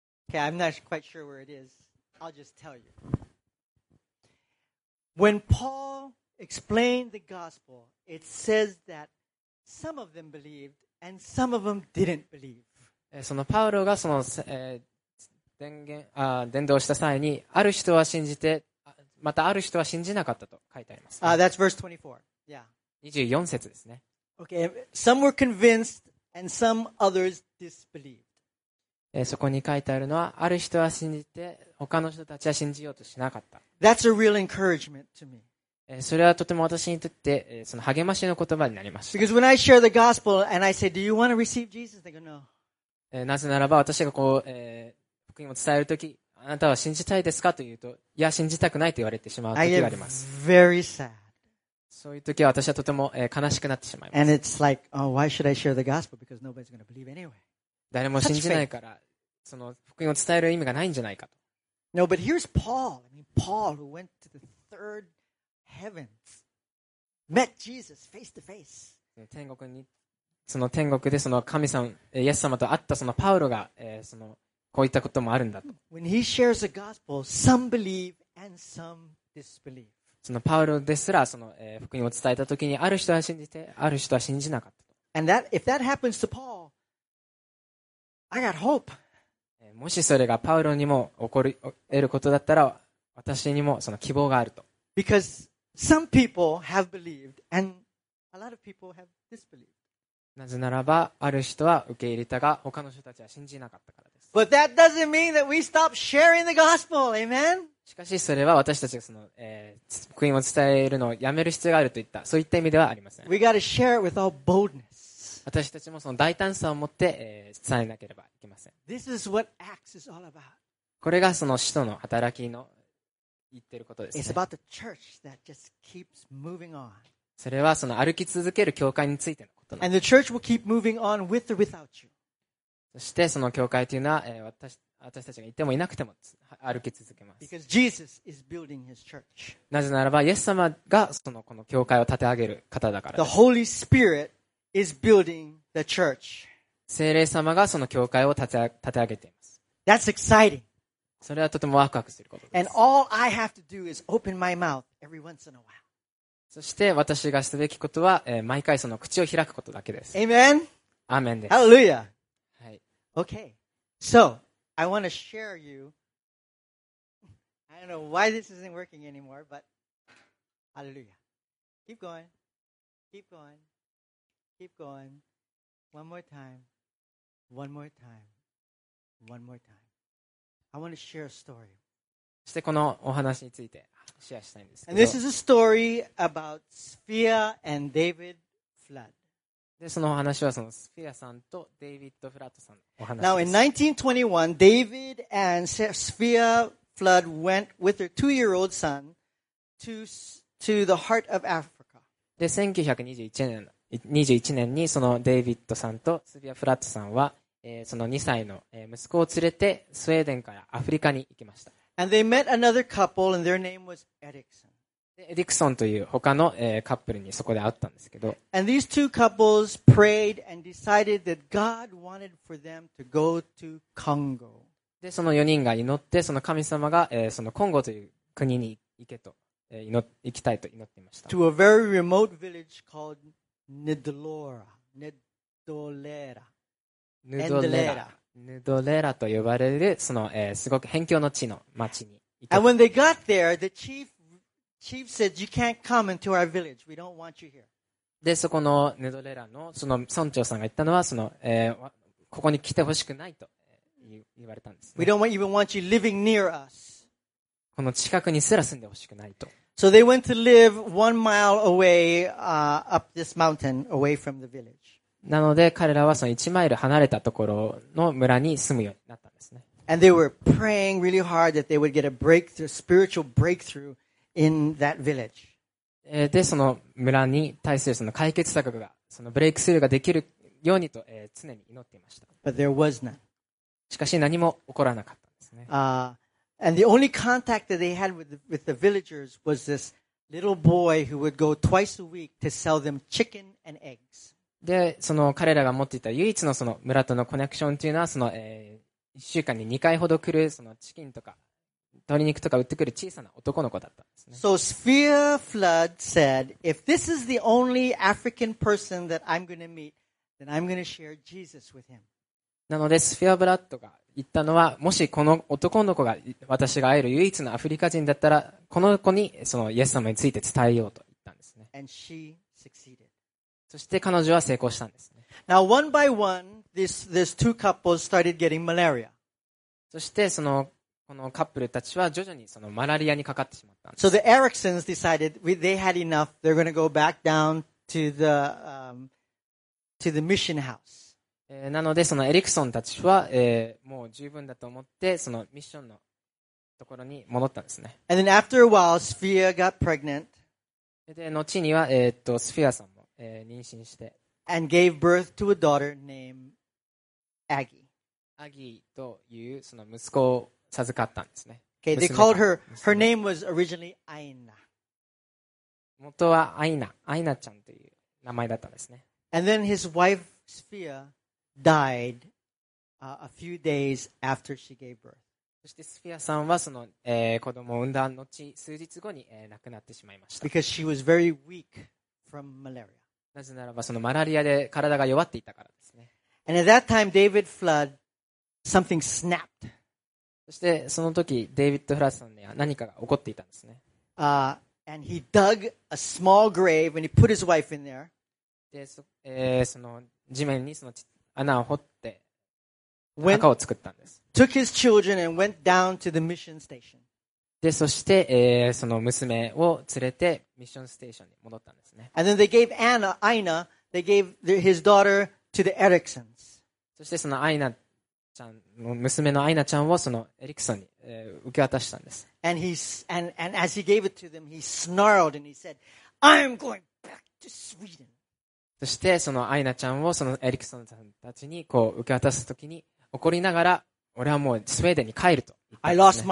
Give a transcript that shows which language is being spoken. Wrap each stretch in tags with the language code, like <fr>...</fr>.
<en>Okay, I'm not quite sure where it is. I'll just tell you. When Paul explained the gospel, it says that some of them believed and some of them didn't believe.</en> <ja>そのパウロがその、伝道した際にある人は信じて、またある人は信じなかったと書いてあります、ね。</ja> <en>That's verse 24. Yeah.</en> <ja>24節ですね。</ja> <en>Okay. Some were convinced and some others disbelieved.</en> <ja>そこに書いてあるのは、ある人は信じて、他の人たちは信じようとしなかった。</ja> <en>That's a real encouragement to me.</en> <ja>それはとても私にとって、その励ましの言葉になりました。</ja> <en>Because when I share the gospel and I say, do you want to receive Jesus? They go, no.</en> <ja>なぜならば私がこう、福音を伝えるとき、あなたは信じたいですかと言うと、いや、信じたくないと言われてしまう時があります。</ja> <en>Very sad.</en> <ja>そういう時は私はとても、悲しくなってしまいます。</ja> <en>And it's like, oh, why should I share the gospel? Because nobody's going to believe anyway.</en> <ja>誰も信じないから、その福音を伝える意味がないんじゃないかと。</ja> <en>No, but here's Paul. I mean, Paul, who went to the third heavens, met Jesus face to face.</en> <ja>天国に、その天国でその神様、イエス様と会ったそのパウロが、その、こういったこともあるんだと。</ja> <en>When he shares the gospel, some believe and some disbelieve.</en> <ja>そのパウロですらその、福音を伝えた時にある人は信じてある人は信じなかった。</ja> <en>And that, if that happens to Paul, I got hope.</en> <ja>もしそれがパウロにも起こり得ることだったら私にもその希望があると。</ja> <en>Because some people have believed and a lot of people have disbelieved.</en> <ja>なぜならばある人は受け入れたが他の人たちは信じなかったからです。</ja> <en>But that doesn't mean that we stop sharing the gospel. Amen?</en> <ja>しかしそれは私たちがその、福音を伝えるのをやめる必要があるといったそういった意味ではありません。</ja> <en>We gotta share it with all boldness.</en> <ja>私たちもその大胆さを持って、伝えなければいけません。</ja> <en>This is what Acts is all about.</en> <ja>これがその使徒の働きの言ってることですね。</ja> <en>It's about the church that just keeps moving on.</en> <ja>それはその歩き続ける教会についてのことなんです。</ja> <en>And the church will keep moving on with or without you.</en> <ja>そしてその教会というのは、私たちがいてもいなくても歩き続けます。</ja> <en>Because Jesus is building his church.</en> <ja>なぜならば、イエス様がそのこの教会を建て上げる方だからです。</ja> <en>The Holy Spirit is building the church.</en> <ja>聖霊様がその教会を建て上げています。</ja> <en>That's exciting.</en> <ja>それはとてもワクワクすることです。</ja> <en>And all I have to do is open my mouth every once in a while.</en> <ja>そして私がすべきことは、毎回その口を開くことだけです。</ja> <en>Amen?</en> <ja>アーメンです。</ja> <en>Hallelujah!</en> <ja>はい。</ja> <en>Okay. So,I want to share you. I don't know why this isn't working anymore, but hallelujah. Keep going. Keep going. Keep going. One more time. One more time. One more time. I want to share a story.</en> <ja>そしてこのお話についてシェアしたいんですけど。</ja> <en>And this is a story about Sophia and David Flood.</en> <ja>でそのお話はそのスフィアさんとデイビッド・フラットさんのお話です。</ja> <en>Now in 1921, David and Sophia Flood went with their two-year-old son to the heart of Africa.</en> <ja>で、1921年にそのデイビッドさんとスフィア・フラットさんは、その2歳の息子を連れてスウェーデンからアフリカに行きました。</ja> <en>And they met another couple and their name was Ericsson.</en> <ja>でエディクソンという他の、カップルにそこで会ったんですけど。</ja> <en>And these two couples prayed and decided that God wanted for them to go to Congo.</en> <ja>で、その4人が祈って、その神様が、そのコンゴという国に行けと、行きたいと祈っていました。</ja> <en>To a very remote village called Ndolera. Ndolera. Ndolera.</en> <ja>Ndolera と呼ばれる、その、すごく辺境の地の町に行った。</ja> <en>And when they got there, the chief said, "You can't come into our village. We don't want you here."</en> <ja>で、そこのネドレラのその村長さんが言ったのは、その、ここに来てほしくないと言われたんです、ね。</ja> <en>We don't even want you living near us.</en> <ja>この近くにすら住んでほしくないと。</ja> <en>So they went to live 1 mile away, up this mountain, away from the village.</en> <ja>なので彼らはその1マイル離れたところの村に住むようになったんですね。</ja> <en>And they were praying really hard that they would get a breakthrough, spiritual breakthrough. In that village.</en> <ja>で、その村に対するその解決策が、そのブレイクスルーができるようにと、常に祈っていました。</ja> <en>But there was none.</en> <ja>しかし何も起こらなかったんですね。</ja> <en>And the only contact that they had with the villagers was this little boy who would go twice a week to sell them chicken and eggs.</en> <ja>で、その彼らが持っていた唯一のその村とのコネクションというのは、その、1週間に2回ほど来るそのチキンとか、鶏肉とか売ってくる小さな男の子だったんですね。</ja> <en>So Sophia Flood said, "If this is the only African person that I'm going to meet, then I'm going to share Jesus with him."</en> <ja>なのでスフィア・ブラッドが言ったのは、もしこの男の子が私が会える唯一のアフリカ人だったら、この子にそのイエス様について伝えようと言ったんですね。</ja> <en>And she succeeded.</en> <ja>そして彼女は成功したんですね。</ja> <en>Now one by one, these two couples started getting malaria.</en> <ja>そしてそのこのカップルたちは徐々にそのマラリアにかかってしまったんです。</ja> <en>So the Ericssons decided they had enough. They're going to go back down to the mission house.</en> <ja>なのでそのエリクソンたちは、もう十分だと思ってそのミッションのところに戻ったんですね。</ja> <en>And then after a while, Sophia got pregnant.</en> <ja>で、後にはスフィアさんも、妊娠して。</ja> <en>And gave birth to a daughter named Aggie.</en> <ja>アギーというその息子を授かったんですね。</ja> <en>Okay, they called her name was originally Aina.</en> <ja>元はアイナちゃんという名前だったんですね。</ja> <en>And then his wife Sophia died a few days after she gave birth.</en> <ja>そしてスフィアさんはその、子供を産んだ後数日後に、亡くなってしまいました。</ja> <en>Because she was very weak from malaria.</en> <ja>なぜならばそのマラリアで体が弱っていたからですね。</ja> <en>And at that time, David Flood, something snapped.</en> <ja>そしてその時デイビッド・フラッドさんには何かが起こっていたんですね。</ja> <en>And he dug a small grave and he put his wife in there.</en> <ja>で、その地面にその穴を掘って墓を作ったんです。</ja> <en>Took his children and went down to the mission station.</en> <ja>で、そして、その娘を連れてミッションステーションに戻ったんですね。</ja> <en>And then they gave Aina, they gave his daughter to the Ericsons.</en> <ja>そしてそのアイナちゃん、娘のアイナちゃんをそのエリクソンに、受け渡したんです。</ja> <en>And as he gave it to them, he snarled and he said, I'm going back to Sweden.</en> <ja>そしてそのアイナちゃんをそのエリクソンさんたちにこう受け渡すときに怒りながら、俺はもうスウェーデンに帰ると言ったんですね。</ja>